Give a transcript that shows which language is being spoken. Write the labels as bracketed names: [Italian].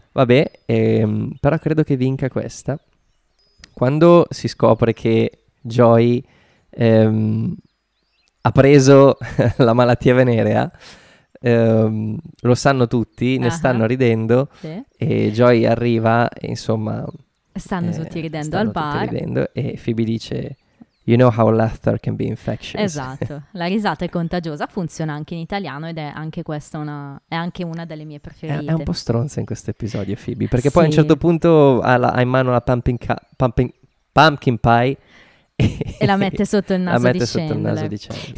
[Italian] Vabbè, però credo che vinca questa. Quando si scopre che Joy ha preso la malattia venerea, lo sanno tutti, ne stanno ridendo, sì, e Joy arriva e insomma stanno tutti ridendo al bar, ridendo, e Phoebe dice [English] you know how laughter can be infectious. [Italian] Esatto, la risata è contagiosa, funziona anche in italiano ed è anche questa una delle mie preferite. È un po' stronza in questo episodio Phoebe, perché poi a un certo punto ha in mano la pumpkin pie e la mette sotto il naso, la mette di sotto il naso di Chandler.